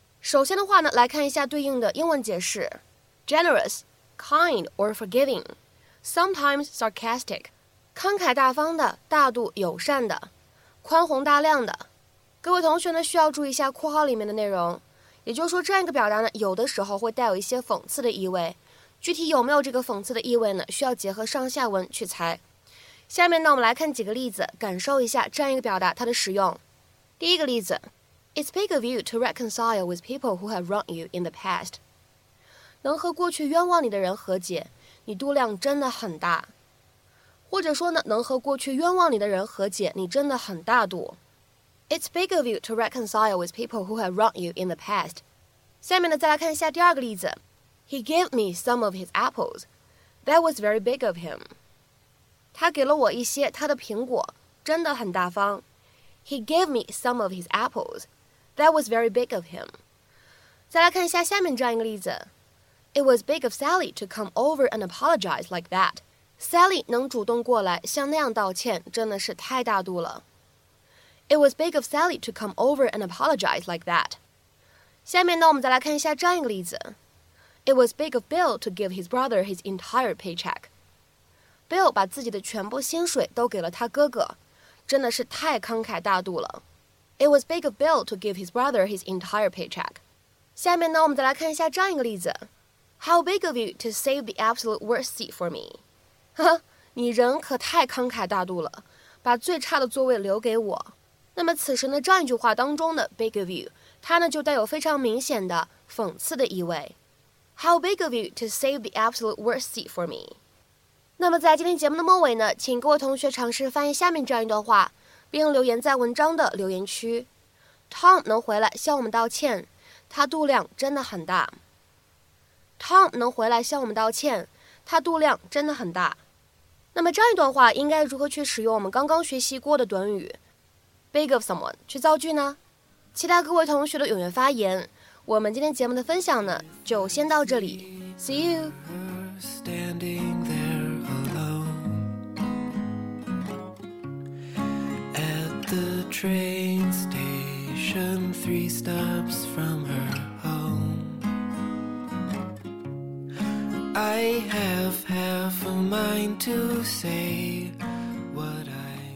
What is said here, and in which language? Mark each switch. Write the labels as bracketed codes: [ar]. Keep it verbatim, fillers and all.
[zh] 首先的话呢，来看一下对应的英文解释 [en] generous, kind or forgiving, sometimes sarcastic [zh] 慷慨大方的、大度友善的、宽宏大量的。各位同学呢，需要注意一下括号里面的内容，也就是说这样一个表达呢，有的时候会带有一些讽刺的意味，具体有没有这个讽刺的意味呢，需要结合上下文去猜。下面呢，我们来看几个例子，感受一下这样一个表达它的使用。第一个例子， [en] It's big of you to reconcile with people who have wronged you in the past. [zh] 能和过去冤枉你的人和解，你度量真的很大。或者说呢，能和过去冤枉你的人和解，你真的很大度。 [en] It's big of you to reconcile with people who have wronged you in the past. [zh] 下面呢，再来看一下第二个例子。 [en] He gave me some of his apples. That was very big of him. [zh] 他给了我一些他的苹果，真的很大方。 [en] He gave me some of his apples. That was very big of him. [zh] 再来看一下下面这样一个例子。 [en] It was big of Sally to come over and apologize like that. [zh] Sally 能主动过来像那样道歉，真的是太大度了。 [en] It was big of Sally to come over and apologize like that. [zh] 下面呢，我们再来看一下这样一个例子。 [en] It was big of Bill to give his brother his entire paycheck. [zh] Bill 把自己的全部薪水都给了他哥哥，真的是太慷慨大度了。 [en] It was big of Bill to give his brother his entire paycheck. [zh] 下面呢，我们再来看一下这样一个例子。 [en] How big of you to save the absolute worst seat for me? [zh] 呵，你人可太慷慨大度了，把最差的座位留给我。那么此时呢，这样一句话当中的 [en] big of you， [zh] 它呢就带有非常明显的讽刺的意味。 [en] How big of you to save the absolute worst seat for me? [zh] 那么在今天节目的末尾呢，请各位同学尝试翻译下面这样一段话，并留言在文章的留言区。 Tom 能回来向我们道歉，他度量真的很大。 Tom 能回来向我们道歉，他度量真的很大。那么这样一段话应该如何去使用我们刚刚学习过的短语 big of someone 去造句呢？期待各位同学的踊跃发言，我们今天节目的分享呢，就先到这里。 [en] See you. Standing there alone at the train station, three stops from her home. I have half a mind to say what I.